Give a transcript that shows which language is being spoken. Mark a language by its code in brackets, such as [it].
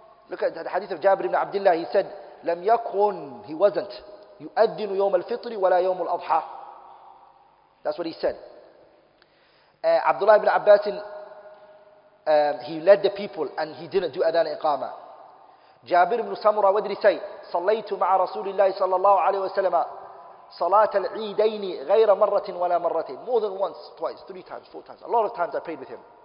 [en] Look at the hadith of Jabir ibn Abdullah. He said, [ar] لم يكن, [en] he wasn't, [ar] يؤذن يوم الفطر ولا يوم الأضحى. [en] That's what he said. Abdullah ibn Abbas, he led the people and he didn't do adhan iqama. Jabir ibn Samura, what did he say? [ar] صليت مع رسول الله صلى الله عليه وسلم صلاة العيدين غير مرة ولا مرتين. [en] More than once, twice, three times, four times. A lot of times I prayed with him.